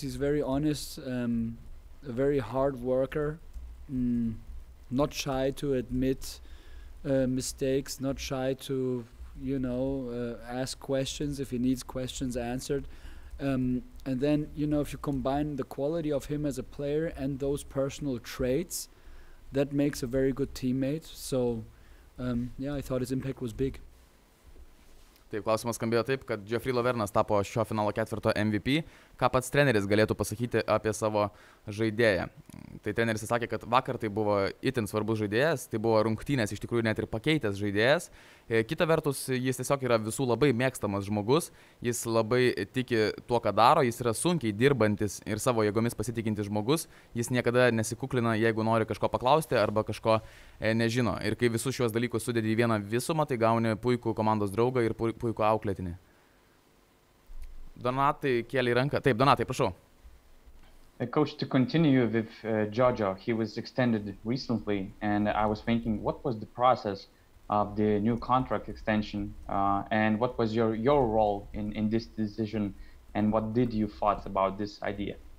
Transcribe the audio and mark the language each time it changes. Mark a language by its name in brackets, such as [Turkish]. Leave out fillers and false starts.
[English] He's very honest, a very hard worker, not shy to admit mistakes, not shy to, you know, ask questions if he needs questions answered. And then, you know, if you combine the quality of him as a player and those personal traits, that makes a very good teammate. So, yeah, I thought his impact was big. [Lithuanian] Taip, klausimas skambėjo taip, kad Geoffrey Lavernas tapo šio finalo ketvirto MVP. Ką pats treneris galėtų pasakyti apie savo žaidėją? Tai treneris sakė, kad vakar tai buvo itin svarbus žaidėjas, tai buvo rungtynės, iš tikrųjų net ir pakeitęs žaidėjas. Kita vertus, jis tiesiog yra visų labai mėgstamas žmogus, jis labai tiki tuo, ką daro, jis yra sunkiai dirbantis ir savo jėgomis pasitikintis žmogus, jis niekada nesikuklina, jeigu nori kažko paklausti arba kažko nežino. Ir kai visus šiuos dalykus sudedi į vieną visumą, tai gauni puikų komandos draugą ir puikų auklėtinį. Donatai, kėlį ranką. Taip, Donatai, prašau. [English] Coach, to continue with Giorgio, he was extended recently and I was thinking, what was the process of the new contract extension and what was your role in this decision and what did you thought about this idea?